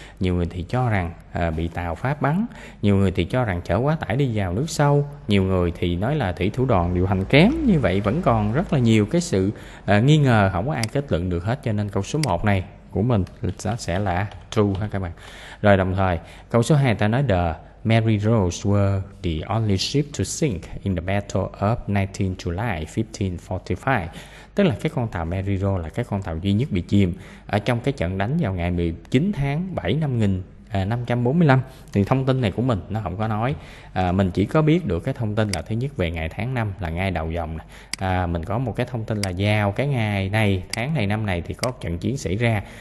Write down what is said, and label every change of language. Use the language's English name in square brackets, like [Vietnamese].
[Vietnamese] Nhiều người thì cho rằng bị tàu Pháp bắn, nhiều người thì cho rằng chở quá tải đi vào nước sâu, nhiều người thì nói là thủy thủ đoàn điều hành kém. Như vậy vẫn còn rất là nhiều cái sự nghi ngờ, không có ai kết luận được hết. Cho nên câu số 1 này của mình sẽ là true ha các bạn. Rồi đồng thời câu số 2 ta nói [English] the Mary Rose were the only ship to sink in the battle of 19 July 1545. [Vietnamese] Tức là cái con tàu Mary Rose là cái con tàu duy nhất bị chìm ở trong cái trận đánh vào ngày 19 tháng 7 năm 1545. Thì thông tin này của mình nó không có nói. Mình chỉ có biết được cái thông tin là thứ nhất về ngày tháng năm là ngay đầu dòng. Mình có một cái thông tin là vào cái ngày này, tháng này, năm này thì có trận chiến xảy ra.